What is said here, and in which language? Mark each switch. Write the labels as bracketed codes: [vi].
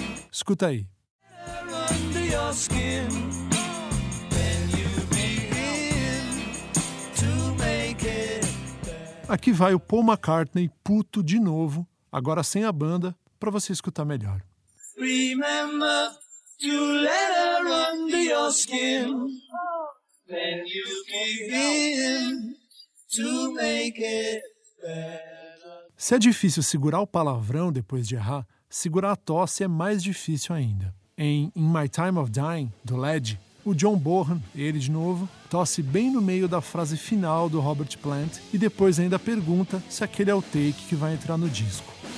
[pt] Escuta aí. Aqui vai o Paul McCartney, puto de novo, agora sem a banda, pra você escutar melhor. [en] Remember to let her under your skin. Then you begin to make it better. [pt] Se é difícil segurar o palavrão depois de errar, segurar a tosse é mais difícil ainda. Em In My Time of Dying, do Led, o John Bonham, ele de novo, tosse bem no meio da frase final do Robert Plant e depois ainda pergunta se aquele é o take que vai entrar no disco.